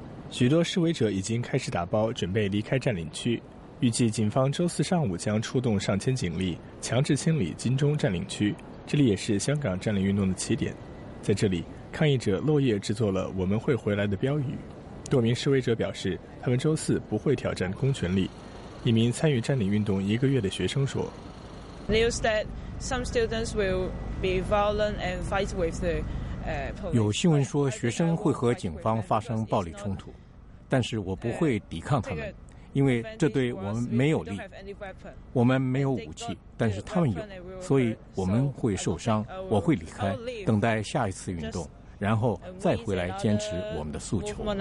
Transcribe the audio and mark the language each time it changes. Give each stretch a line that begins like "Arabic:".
Chinese: 许多示威者已经开始打包准备离开占领区，预计警方周四上午将出动上千警力强制清理金钟占领区，这里也是香港占领运动的起点。在这里，抗议者落叶制作了我们会回来的标语。多名示威者表示，他们周四不会挑战公权力。一名参与占领运动一个月的学生说
English: ：“News that some students will be violent and fight with the police。”
Chinese: 有新闻说学生会和警方发生暴力冲突，但是我不会抵抗他们，因为这对我们没有利。我们没有武器，但是他们有，所以我们会受伤。我会离开，等待下一次运动。然后再回来坚持我们的诉求。